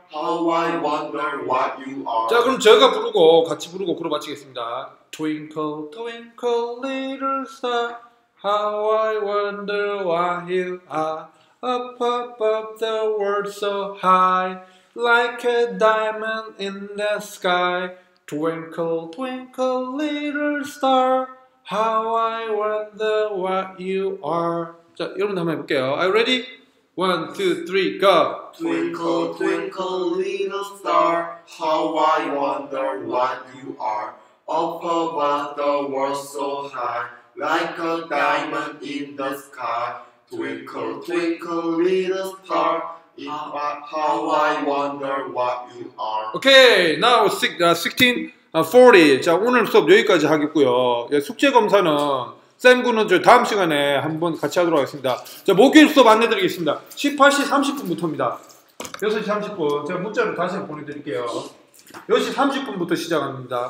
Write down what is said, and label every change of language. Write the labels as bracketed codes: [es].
[en] How I wonder what you are. [ko] 자, 그럼 제가 부르고, 같이 부르고 그로 마치겠습니다. [en] Twinkle, twinkle, little star. How I wonder why you are up above the world so high, like a diamond in the sky. Twinkle, twinkle, little star. How I wonder what you are. [ko] 자, 여러분 한번 해볼게요. [en] Are you ready? 1, 2, 3, go. Twinkle, twinkle, little star. How I wonder what you are up above the world so high. Like a diamond in the sky, twinkle, twinkle, little star. How I wonder what you are. Okay, now 16:40. [ko] 자, 오늘 수업 여기까지 하겠고요. 예, 숙제 검사는 쌤 군은 저 다음 시간에 한번 같이 하도록 하겠습니다. 자, 목요일 수업 안내드리겠습니다. 18시 30분부터입니다. 6시 30분. 제가 문자로 다시 보내드릴게요. 6시 30분부터 시작합니다.